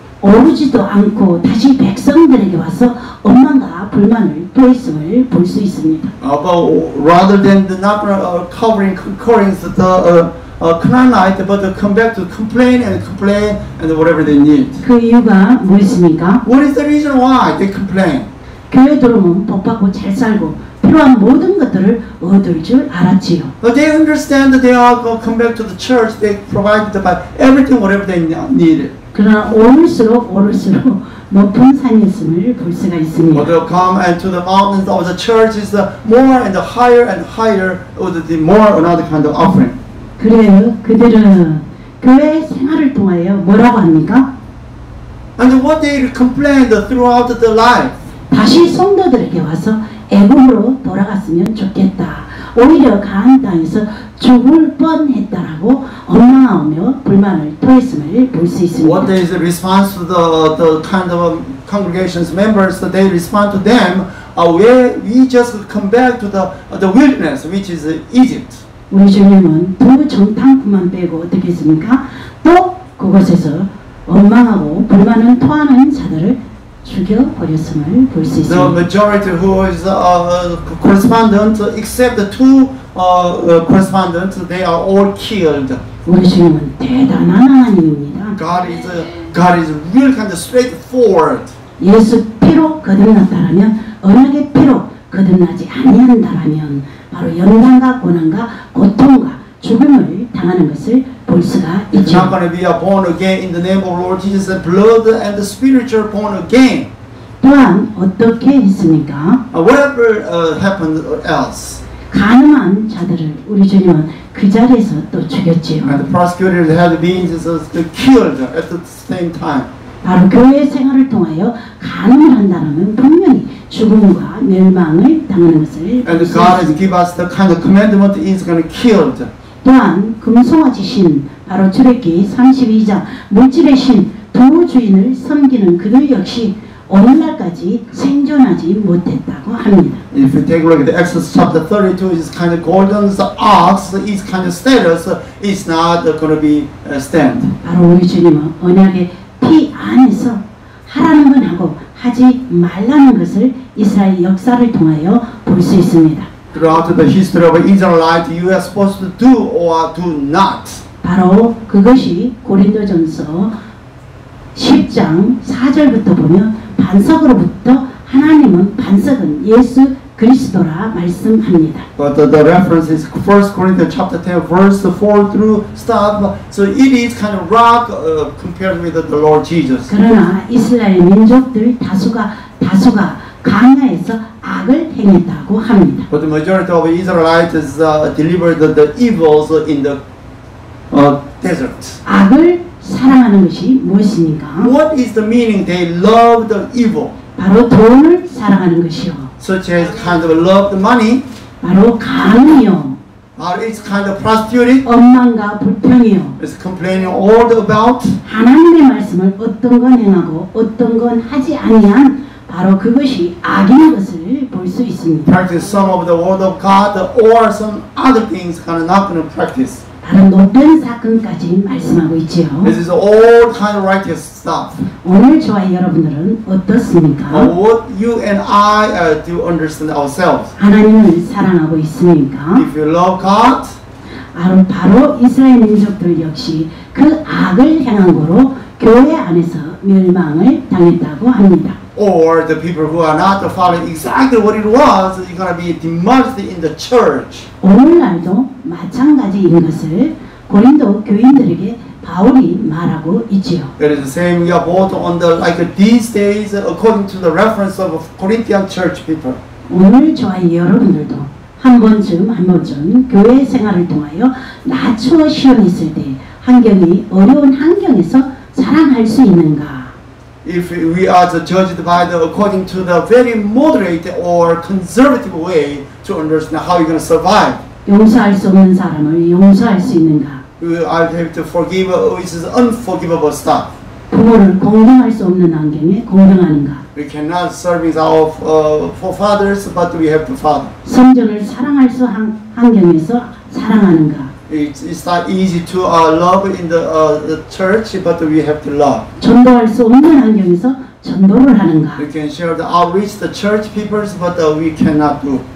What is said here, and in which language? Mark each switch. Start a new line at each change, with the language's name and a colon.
Korean: 오르지도 않고 다시 백성들에게 와서 원망과 불만을 토했음을 볼 수 있습니다.
English: But rather than the not covering concurrence of the Canaanite, but come back to complain and complain and whatever they need.
Korean: 그 이유가 무엇입니까?
English: What is the reason why they complain?
Korean: 교회 들어오면 복 받고 잘 살고 필요한 모든 것들을 얻을 줄 알았지요.
English: But they understand that they are come back to the church. They provided by everything whatever they needed.
Korean: 그러나 오를수록 오를수록 높은 산이었음을 볼 수가 있습니다.
English: But they come and to the mountains of the church is more and higher and higher would be more another kind of offering.
Korean: 그래요. 그들은 교회 생활을 통하여 뭐라고 합니까?
English: And what they complained throughout the life.
Korean: 다시 성도들에게 와서 애굽으로 돌아갔으면 좋겠다. 오히려 가나안 땅에서 죽을 뻔했다라고 원망하며 불만을 토했음을 볼 수 있습니다.
English: What is the response to the kind of congregation's members? That they respond to them, we just come back to the wilderness, which is Egypt.
Korean: 우리 주님은 두 정탐꾼만 빼고 어떻게 했습니까? 또 그곳에서 원망하고 불만을 토하는 자들을 죽여버렸음을 볼 수 있습니다.
English: The majority who is a correspondent, except the two correspondents, they are all killed.
Korean: 우리 주님은 대단한 하나님입니다.
English: God is real kind of straightforward.
Korean: 예수 피로 거듭났다면 언약의 피로 거듭나지 아니한다라면 바로 연단과 고난과 고통과 죽음을 당하는 것을 볼 수가 있죠.
English: Not gonna be a born again in the name of Lord Jesus and blood and the spiritual born again.
Korean: 또한 어떻게 했습니까?
English: Whatever happened else.
Korean: 가늠한 자들을 우리 주님은 그 자리에서 또 죽였지요.
English: And the prosecutors had been just killed at the same time.
Korean: 바로 교회 생활을 통하여 가늠을 한다는 분명히 죽음과 멸망을 당하는 것을.
English: And God has given us the kind of commandment is going to kill.
Korean: 또한 금송아 지신 바로 출애굽기 32장 물질의 신 두 주인을 섬기는 그들 역시 오늘날까지 생존하지 못했다고 합니다.
English: If you take a look at the Exodus chapter 32, it's kind of golden ox, it's kind of status, it's not going to be stand.
Korean: 바로 우리 주님은 언약의 피 안에서 하라는 건 하고 하지 말라는 것을 이스라엘 역사를 통하여 볼 수 있습니다.
English: Throughout the history of Israelite, you are supposed to do or do not.
Korean: 바로 그것이 고린도전서 10장 4절부터 보면 반석으로부터 하나님은 반석은 예수 그리스도라 말씀합니다.
English: But the reference is 1 Corinthians chapter 10 verse 4 through stuff. So it is kind of rock compared with the Lord Jesus.
Korean: 그러나 이스라엘 민족들 다수가 광야에서 악을 행했다고 합니다.
English: But the majority of Israelites delivered the evils in the desert.
Korean: 악을 사랑하는 것이 무엇입니까?
English: What is the meaning? They love the evil.
Korean: 바로 돈을 사랑하는 것이요.
English: Such as kind of love the money.
Korean: 바로 가늠이요.
English: It's kind of prostitute.
Korean: 원망과 불평이요.
English: It's complaining all about.
Korean: 하나님의 말씀을 어떤 건 행하고 어떤 건 하지 아니한 바로 그것이 악인 것을 볼 수 있습니다.
English: Practice some of the word of God or some other things kind of not going to practice.
Korean: 다른 못된 사건까지 말씀하고 있지요.
English: This is all kind of righteous stuff.
Korean: 오늘 저와 여러분들은 어떻습니까?
English: What you and I do understand ourselves?
Korean: 하나님을 사랑하고 있습니까?
English: If you love God,
Korean: 바로 이스라엘 민족들 역시 그 악을 행한 거로 교회 안에서 멸망을 당했다고 합니다.
English: Or the people who are not following exactly what it was, you're going to be demolished in the church.
Korean: 오늘날도 마찬가지인 것을 고린도 교인들에게 바울이 말하고 있지요.
English: It is the same you are both on the like these days according to the reference of Corinthian church people.
Korean: 오늘 저와 여러분들도 한 번쯤 교회 생활을 통하여 낮추어 시험 있을 때 환경이 어려운 환경에서 살아갈 수 있는가?
English: If we are judged by the according to the very moderate or conservative way to understand how you're going to survive.
Korean: 용서할 수 없는 사람을 용서할 수 있는가?
English: We are able to forgive which is unforgivable stuff.
Korean: 부모를 공경할 수 없는 환경에 공경하는가?
English: We cannot serve our forefathers, but we have to follow.
Korean: 성전을 사랑할 수 한 환경에서 사랑하는가?
English: It's not easy to love in the church, but we have to love.
Korean: 전도할 수 없는 환경에서 전도를 하는가?
English: We can share the outreach the church peoples, but we cannot do.